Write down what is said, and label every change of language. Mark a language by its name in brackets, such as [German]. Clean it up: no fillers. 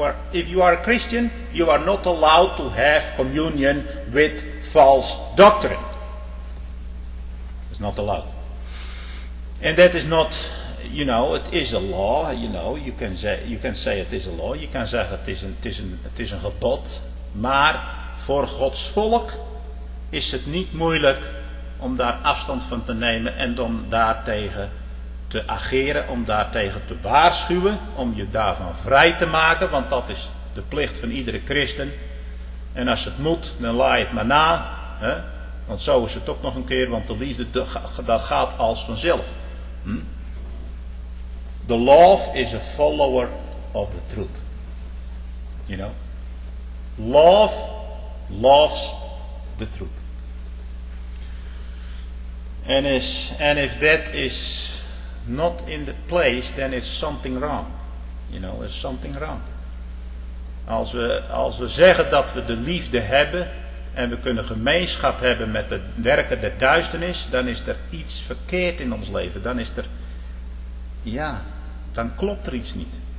[English] If you are a Christian, you are not allowed to have communion with false doctrine. It's not allowed. And that is not, you know, it is [Dutch] a law, you know, you can say it is a law, you can say it is een gebod, maar voor Gods volk is het niet moeilijk om daar afstand van te nemen en om daartegen te ageren, om daartegen te waarschuwen, om je daarvan vrij te maken, want dat is de plicht van iedere christen. En als het moet, dan laai het maar na, hè? Want zo is het ook nog een keer, want de liefde, dat gaat als vanzelf. [English] The love is a follower of the truth. You know? Love loves the truth. And if that is not in the place, then it's something wrong. You know, it's something wrong. [Dutch] Als we zeggen dat we de liefde hebben en we kunnen gemeenschap hebben met de werken der duisternis, dan is er iets verkeerd in ons leven. Dan is er, ja, dan klopt er iets niet.